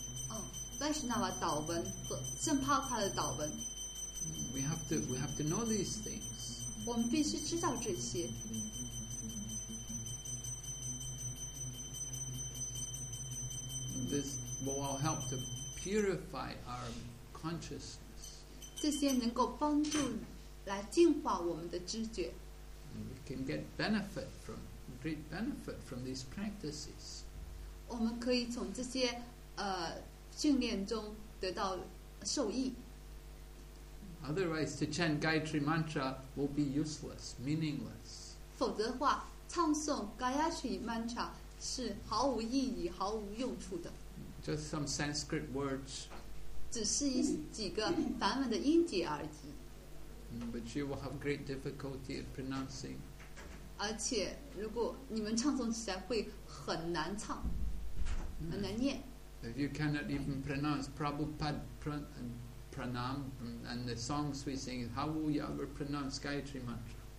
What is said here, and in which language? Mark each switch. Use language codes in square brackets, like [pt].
[en] Oh, Vaishnava dawan, Saint Prabhupada dawan. We have to know these things. [zh] 我们必须知道这些。 [en] This will help to purify our consciousness. [zh] 这些能够帮助来净化我们的知觉。 [en] And we can get benefit from. Great benefit from these practices. [zh] 我们可以从这些训练中得到受益。 [en] Otherwise, to chant Gayatri mantra will be useless, meaningless. [zh] 否则的话，唱诵 Gayatri mantra 是毫无意义、毫无用处的。 [en] Just some Sanskrit words. [zh] 只是几个梵文的音节而已。 [en] But you will have great difficulty in pronouncing. [zh] 而且如果你们唱诵起来会很难唱很难念 [en] If you cannot even pronounce Prabhupada pranam and the songs we sing how will you ever pronounce Gayatri mantra